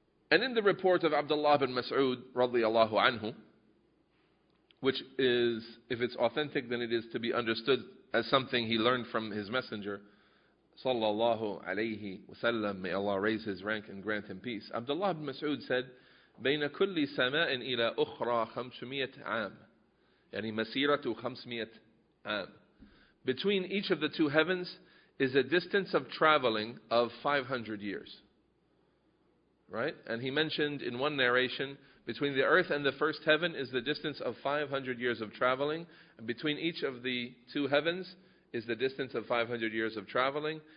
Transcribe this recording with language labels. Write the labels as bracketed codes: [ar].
[en] And in the report of Abdullah ibn Mas'ud, radiyallahu anhu, which is, if it's authentic, then it is to be understood as something he learned from his messenger, sallallahu alayhi wasallam, may Allah raise his rank and grant him peace. [ar] Abdullah ibn Mas'ud said, بَيْنَ كُلِّ سَمَاءٍ إِلَىٰ أُخْرَىٰ 500 عَامٍ. يعني مسيرته 500 عام. [en] Between each of the two heavens is a distance of traveling of 500 years. Right? And he mentioned in one narration, between the earth and the first heaven is the distance of 500 years of traveling. And between each of the two heavens is the distance of 500 years of traveling.